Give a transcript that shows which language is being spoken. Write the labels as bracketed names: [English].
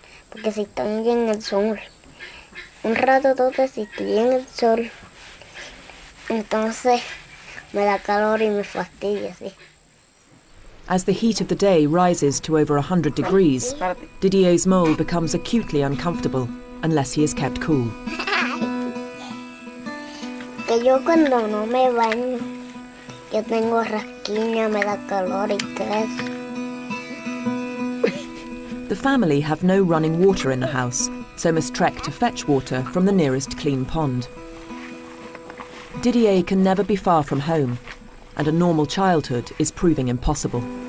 [Spanish] Porque si estoy en el sol, un rato todo, si estoy en el sol, entonces me da calor y me fastidia, sí. [English] As the heat of the day rises to over 100 degrees, Didier's mole becomes acutely uncomfortable unless he is kept cool. [Spanish] Que yo cuando no me baño, yo tengo rasquilla, me da calor y queso. [English] The family have no running water in the house, so must trek to fetch water from the nearest clean pond. Didier can never be far from home, and a normal childhood is proving impossible.